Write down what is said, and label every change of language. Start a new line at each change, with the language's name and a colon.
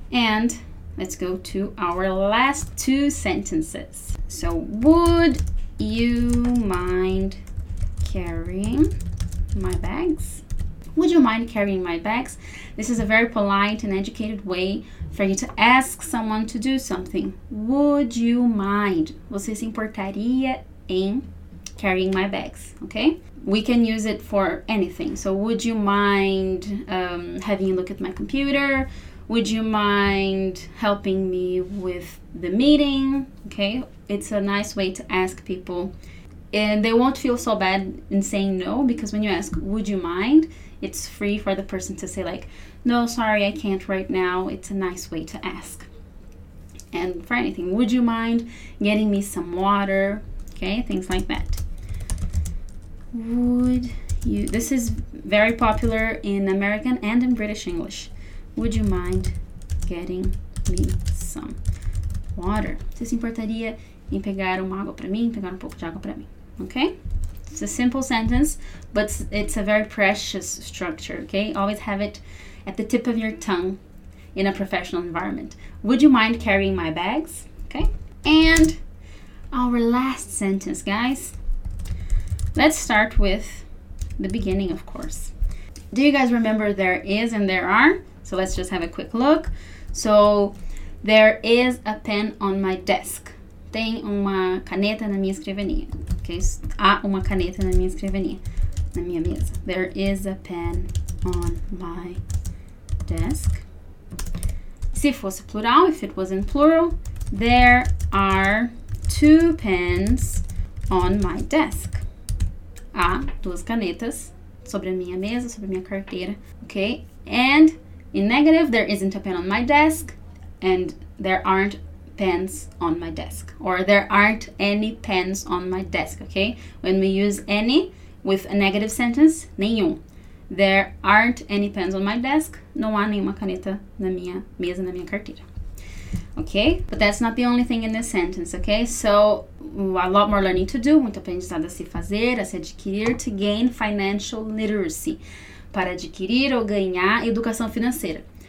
English: And let's go to our last two sentences. So, would you mind carrying my bags? Would you mind carrying my bags? This is a very polite and educated way for you to ask someone to do something. Would you mind?
Portuguese: Você se importaria em
English: carrying my bags, okay? We can use it for anything. So would you mind having a look at my computer? Would you mind helping me with the meeting? Okay, it's a nice way to ask people. And they won't feel so bad in saying no, because when you ask, would you mind? It's free for the person to say like, no, sorry, I can't right now. It's a nice way to ask. And for anything, would you mind getting me some water? Okay, things like that. Would you, this is very popular in American and in British English. Would you mind getting me some water?
Portuguese: Você se importaria em pegar uma água para mim, pegar um pouco de água para mim?
English: Okay? It's a simple sentence, but it's a very precious structure, okay? Always have it at the tip of your tongue in a professional environment. Would you mind carrying my bags? Okay? And our last sentence, guys. Let's start with the beginning, of course. Do you guys remember there is and there are? So let's just have a quick look. So there is a pen on my desk.
Portuguese: Tem uma caneta na minha escrivaninha. Okay, há uma caneta na minha escrivaninha, na minha mesa.
English: There is a pen on my desk.
Portuguese: Se fosse plural,
English: if it was in plural, there are two pens on my desk.
Portuguese: Há duas canetas sobre a minha mesa, sobre a minha carteira.
English: Okay, and in negative, there isn't a pen on my desk, and there aren't pens on my desk, or there aren't any pens on my desk, okay? When we use any with a negative sentence,
Portuguese: nenhum.
English: There aren't any pens on my desk,
Portuguese: não há nenhuma caneta na minha mesa, na minha carteira.
English: Okay, but that's not the only thing in this sentence, okay? So, a lot more learning to do,
Portuguese: muito aprendizado a se fazer, a se adquirir,
English: to gain financial literacy,
Portuguese: para adquirir ou ganhar educação financeira.